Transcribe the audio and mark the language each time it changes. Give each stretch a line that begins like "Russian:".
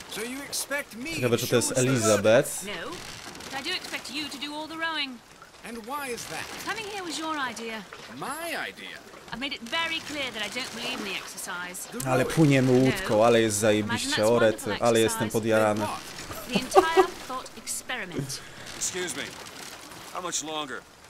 English: So you expect me to do Elizabeth? No, but I do expect you to do all the rowing. And why is that? Coming here was your idea. My idea? I've made it very clear that I don't believe in the exercise.
Polish: Ale płyniemy łódką, ale jest zajebiście, orety, ale jestem podjarany.
English: The entire thought experiment. Excuse me, how much longer?